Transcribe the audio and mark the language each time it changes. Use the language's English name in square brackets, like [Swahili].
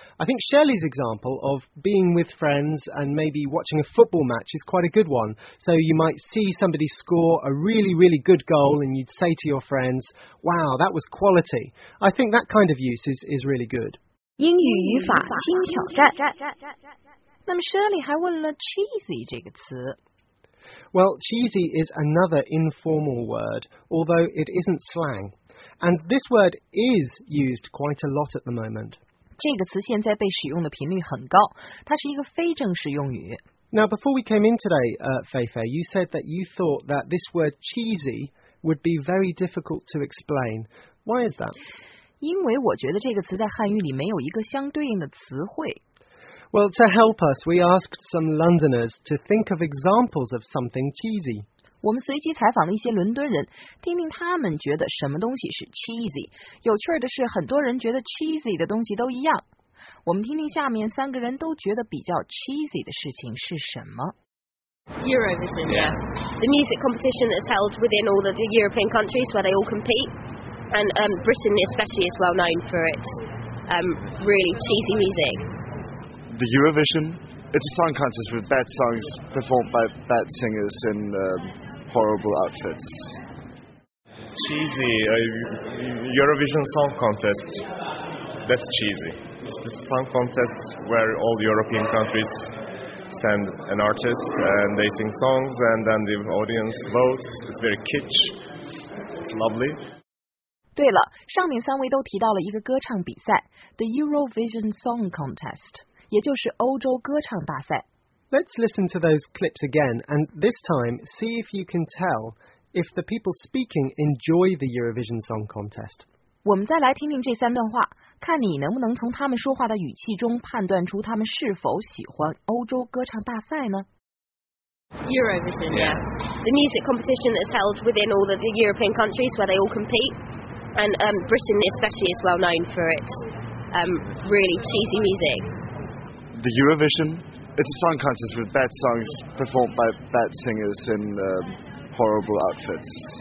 [English] I think Shirley's example of being with friends and maybe watching a football match is quite a good one. So you might see somebody score a really, really good goal and you'd say to your friends, wow, that was quality. I think that kind of use is really good. [Chinese] 英语语法新挑战。那么 Shirley 还问了 cheesy 这个词。 [English] Well, cheesy is another informal word, although it isn't slang. And this word is used quite a lot at the moment. [Chinese] 这个词现在被使用的频率很高，它是一个非正式用语。 [English] Now, before we came in today, Feifei, you said that you thought that this word cheesy would be very difficult to explain. Why is that? [Chinese] 因为我觉得这个词在汉语里没有一个相对应的词汇。 [English] Well, to help us, we asked some Londoners to think of examples of something cheesy. [Chinese] 我们随机采访了一些伦敦人，听听他们觉得什么东西是 cheesy。有趣的是，很多人觉得 cheesy 的东西都一样。我们听听下面三个人都觉得比较 cheesy 的事情是什么。 [English] Eurovision, yeah. The music competition that's held within all the European countries where they all compete. And Britain especially is well known for its really cheesy music. The Eurovision, it's a song contest with bad songs performed by bad singers in horrible outfits. Cheesy, a Eurovision song contest, that's cheesy. It's a song contest where all the European countries send an artist and they sing songs and then the audience votes. It's very kitsch, it's lovely. [Chinese] 对了，上面三位都提到了一个歌唱比赛 ，The Eurovision Song Contest， 也就是欧洲歌唱大赛。 [English] Let's listen to those clips again, and this time see if you can tell if the people speaking enjoy the Eurovision Song Contest. [Chinese] 我们再来听听这三段话，看你能不能从他们说话的语气中判断出他们是否喜欢欧洲歌唱大赛呢？ [English] Eurovision, yeah. The music competition that's held within all the European countries where they all compete. And Britain especially is well known for its really cheesy music. The Eurovision, it's a song contest with bad songs performed by bad singers in horrible outfits.